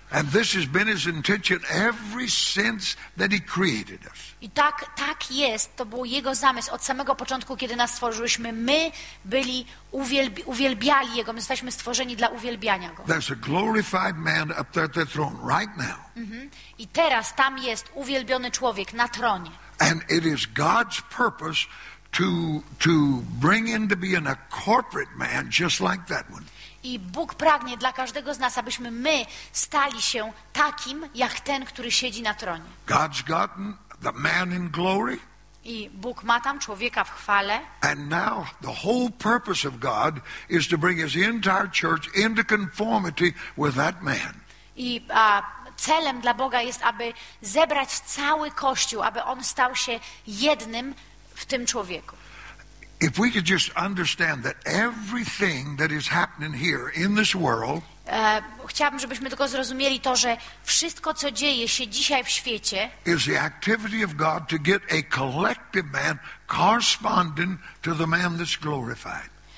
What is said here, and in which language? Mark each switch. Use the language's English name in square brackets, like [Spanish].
[English] And this has been his intention ever since that he created us. [Polish] I tak jest, to był jego zamysł od samego początku, kiedy nas stworzyłyśmy. My byli uwielbiali jego, my jesteśmy stworzeni dla uwielbiania go. [English] There's a glorified man up there at the throne right now. Mm-hmm. [Polish] I teraz tam jest uwielbiony człowiek na tronie. [English] And it is God's purpose to bring in to be in a corporate man just like that one. [Polish] I Bóg pragnie dla każdego z nas, abyśmy my stali się takim, jak ten, który siedzi na tronie. [English] God's gotten the man in glory. [Polish] I Bóg ma tam człowieka w chwale. [English] And now the whole purpose of God is to bring his entire church into conformity with that man. [Polish] I celem dla Boga jest, aby zebrać cały Kościół, aby on stał się jednym w tym człowieku. [English] If we could just understand that everything that is happening here in this world, [Polish] chciałbym, żebyśmy tylko zrozumieli to, że wszystko, co dzieje się dzisiaj w świecie, [English] is the activity of God to get a collective man corresponding to the man that's glorified.